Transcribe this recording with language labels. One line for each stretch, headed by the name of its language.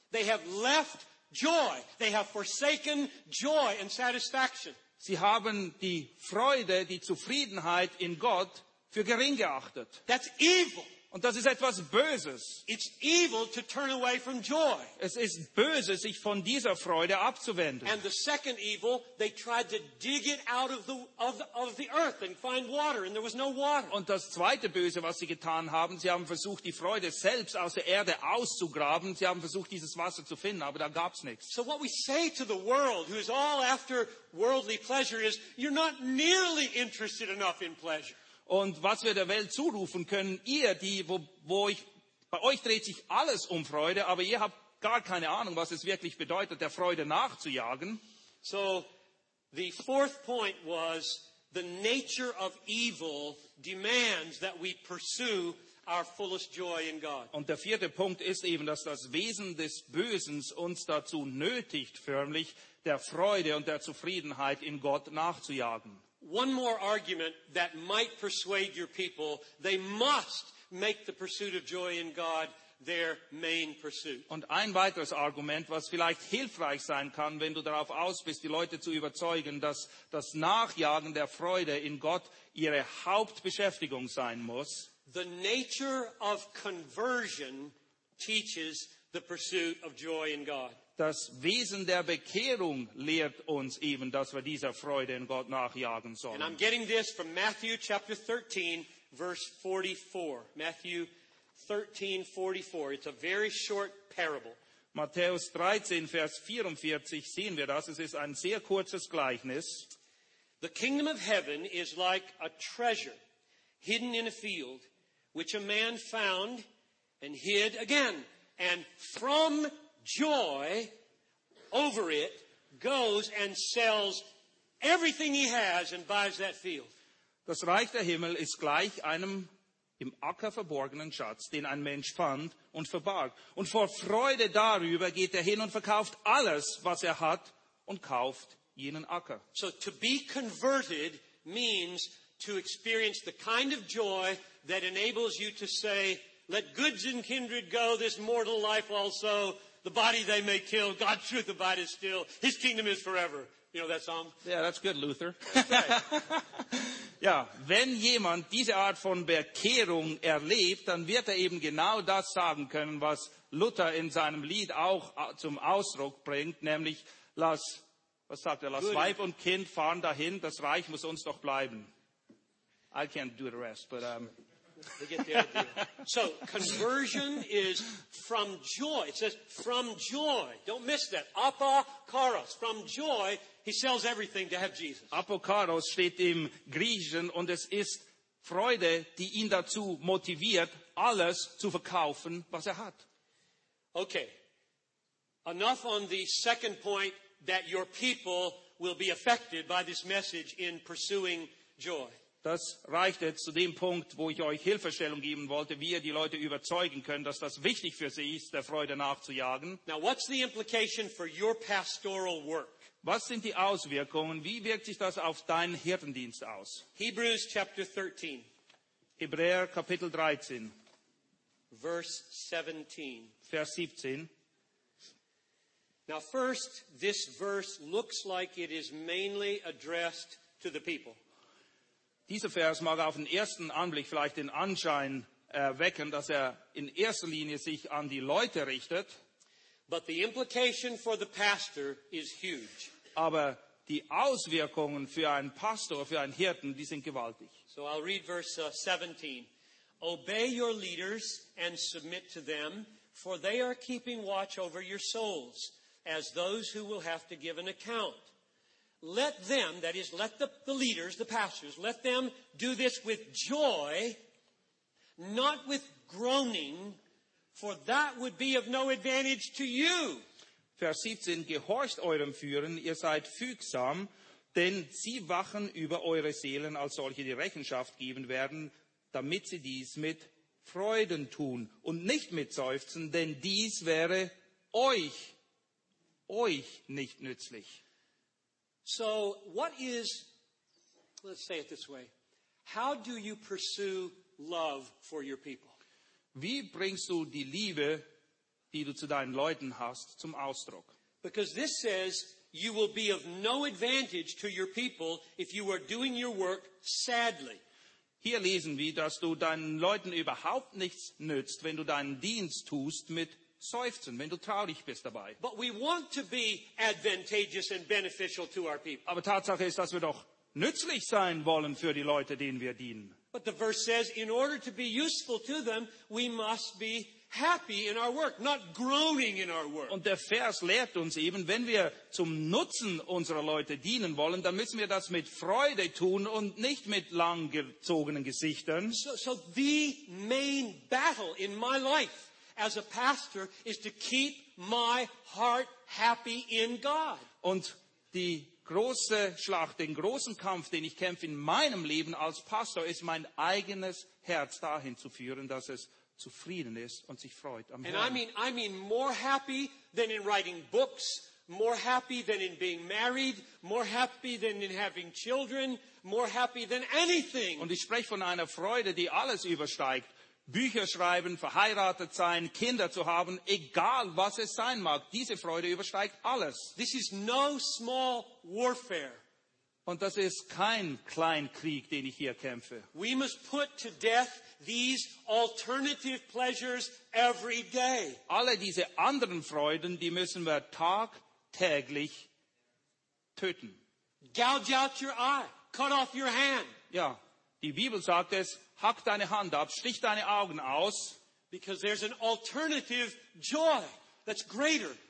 English: They have left joy. They have forsaken joy and satisfaction.
German: Sie haben die Freude, die Zufriedenheit in Gott für gering geachtet.
English: That's evil.
German: Und das ist etwas Böses.
English: It's evil to turn away from joy.
German: Es ist böse, sich von dieser Freude abzuwenden.
English: And the second evil, they tried to dig it out of the earth and find water, and there was no water.
German: Und das zweite Böse, was sie getan haben, sie haben versucht, die Freude selbst aus der Erde auszugraben. Sie haben versucht, dieses Wasser zu finden, aber da gab's nichts.
English: So what we say to the world, who is all after worldly pleasure, is you're not nearly interested enough in pleasure.
German: Und was wir der Welt zurufen können, ihr, die, bei euch dreht sich alles um Freude, aber ihr habt gar keine Ahnung, was es wirklich bedeutet, der Freude nachzujagen.
English: So, the fourth point was, the nature of evil demands that we pursue our fullest joy in God.
German: Und der vierte Punkt ist eben, dass das Wesen des Bösen uns dazu nötigt, förmlich, der Freude und der Zufriedenheit in Gott nachzujagen.
English: One more argument that might persuade your people, they must make the pursuit of joy in God their main pursuit.
German: Und ein weiteres Argument, was vielleicht hilfreich sein kann, wenn du darauf aus bist, die Leute zu überzeugen, dass das Nachjagen der Freude in Gott ihre Hauptbeschäftigung sein muss.
English: The nature of conversion teaches the pursuit of joy in God.
German: Das Wesen der Bekehrung lehrt uns eben, dass wir dieser Freude in Gott nachjagen sollen.
English: And I'm getting this from Matthew chapter 13, verse 44. Matthew 13:44. It's a very short parable.
German: Matthäus 13, Vers 44 sehen wir das. Es ist ein sehr kurzes Gleichnis.
English: The kingdom of heaven is like a treasure hidden in a field, which a man found and hid again. And from joy over it goes and sells everything he has and buys that field.
German: Das Reich der Himmel ist gleich einem im Acker verborgenen Schatz, den ein Mensch fand und verbarg. Und vor Freude darüber geht er hin und verkauft alles, was er hat, und kauft jenen Acker.
English: So to be converted means to experience the kind of joy that enables you to say, let goods and kindred go, this mortal life also, the body they may kill, God's truth abideth still, his kingdom is forever. You know that song? Yeah, that's good, Luther. That's right.
German: Ja, wenn jemand diese Art von Bekehrung erlebt, dann wird er eben genau das sagen können, was Luther in seinem Lied auch zum Ausdruck bringt, nämlich, lass Weib und Kind fahren dahin, das Reich muss uns doch bleiben.
English: I can't do the rest, but... They get the idea. So conversion is from joy. It says from joy. Don't miss that. Apokaros. From joy, he sells everything to have Jesus.
German: Apokaros steht im Griechischen und es ist Freude, die ihn dazu motiviert, alles zu verkaufen, was er hat.
English: Okay. Enough on the second point that your people will be affected by this message in pursuing joy.
German: Das reicht jetzt zu dem Punkt, wo ich euch Hilfestellung geben wollte, wie ihr die Leute überzeugen könnt, dass das wichtig für sie ist, der Freude nachzujagen.
English: Now, what's the implication for your pastoral work?
German: Was sind die Auswirkungen? Wie wirkt sich das auf deinen Hirtendienst aus?
English: Hebrews chapter 13.
German: Hebräer Kapitel 13.
English: Verse 17.
German: Vers 17.
English: Now, first, this verse looks like it is mainly addressed to the people.
German: Dieser Vers mag auf den ersten Anblick vielleicht den Anschein erwecken, dass er in erster Linie sich an die Leute richtet.
English: But the implication for the pastor is huge.
German: Aber die Auswirkungen für einen Pastor, für einen Hirten, die sind gewaltig.
English: So I'll read verse 17. Obey your leaders and submit to them, for they are keeping watch over your souls, as those who will have to give an account. Let them, that is, let the leaders, the pastors, let them do this with joy, not with groaning, for that would be of no advantage to you.
German: Vers 17, gehorcht eurem Führern, ihr seid fügsam, denn sie wachen über eure Seelen, als solche die Rechenschaft geben werden, damit sie dies mit Freuden tun und nicht mit Seufzen, denn dies wäre euch nicht nützlich.
English: So what is, let's say it this way, how do you pursue love for your people?
German: Wie bringst du die Liebe, die du zu deinen Leuten hast, zum Ausdruck?
English: Because this says you will be of no advantage to your people if you are doing your work sadly.
German: Hier lesen wir, dass du deinen Leuten überhaupt nichts nützt, wenn du deinen Dienst tust mit Seufzen, wenn du traurig bist dabei.
English: But we want to be advantageous and beneficial to our people.
German: Aber Tatsache ist, dass wir doch nützlich sein wollen für die Leute, denen wir dienen.
English: But the verse says, in order to be useful to them, we must be happy in our work, not groaning in our work.
German: Und der Vers lehrt uns eben, wenn wir zum Nutzen unserer Leute dienen wollen, dann müssen wir das mit Freude tun und nicht mit langgezogenen Gesichtern.
English: So the main battle in my life as a pastor is to keep my heart happy in God.
German: Und die große Schlacht, den großen Kampf, den ich kämpfe in meinem Leben als Pastor, ist mein eigenes Herz dahin zu führen, dass es zufrieden ist und sich freut am Herrn.
English: And I mean more happy than in writing books, more happy than in being married, more happy than in having children, more happy than anything.
German: Und ich spreche von einer Freude, die alles übersteigt. Bücher schreiben, verheiratet sein, Kinder zu haben, egal was es sein mag. Diese Freude übersteigt alles.
English: This is no small warfare.
German: Und das ist kein Kleinkrieg, den ich hier kämpfe.
English: We must put to death these alternative pleasures every day.
German: Alle diese anderen Freuden, die müssen wir tagtäglich töten.
English: Gouge out your eye. Cut off your hand.
German: Ja, die Bibel sagt es. Hack deine Hand ab, stich deine Augen aus.
English: Because there's an alternative joy. that's greater.